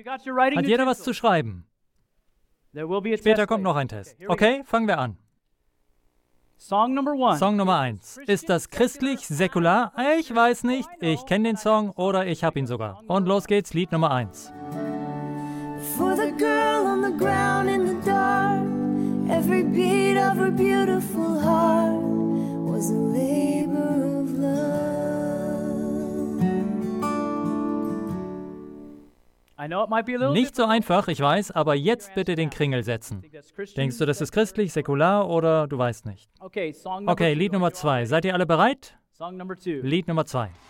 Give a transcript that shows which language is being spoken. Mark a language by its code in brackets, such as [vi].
[de] Hat jeder was zu schreiben? Später kommt noch ein Test. Okay, fangen wir an. Song Nummer 1. Ist das christlich, säkular? Ich weiß nicht. Ich kenne den Song oder ich habe ihn sogar. Und los geht's, Lied Nummer 1. [en] For the girl on the ground in the dark, every beat of her beautiful heart was a labor of love. I know it might be a little [de] nicht so einfach, ich weiß, aber jetzt bitte den Kringel setzen. Denkst du, das ist christlich, säkular oder du weißt nicht? Okay, Lied Nummer 2. Seid ihr alle bereit? Lied Nummer 2.